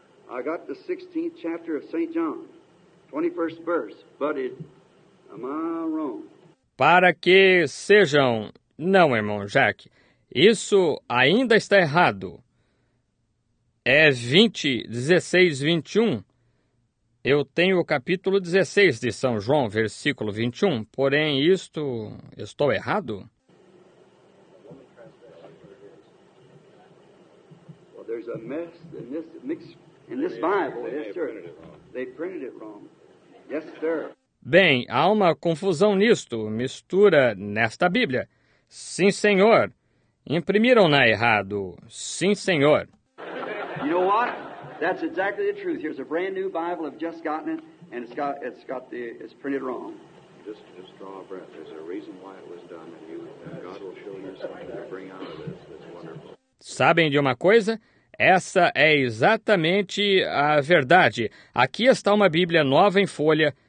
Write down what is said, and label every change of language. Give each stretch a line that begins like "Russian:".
English: I got the 16th chapter of St. John, 21st verse, but it, am I wrong?
Portuguese: Para que sejam, não, irmão Jack, isso ainda está errado. É 20, 16, 21. Eu tenho o capítulo 16 de São João, versículo 21, porém isto, estou errado?
English: There's a mess in this mix in this Bible. Yes, sir. They printed it wrong. Yes, sir.
Portuguese: Bem, há uma confusão nisto, mistura nesta Bíblia. Sim, senhor. Imprimiram-na errado. Sim, senhor.
English: You know what? That's exactly the truth. Here's a brand new Bible. I've just gotten it, and it's printed wrong. Just draw a breath. There's a reason why it was done, and God will show you something to bring out of this. That's wonderful.
Portuguese: Sabem de uma coisa? Essa é exatamente a verdade. Aqui está uma Bíblia nova em folha.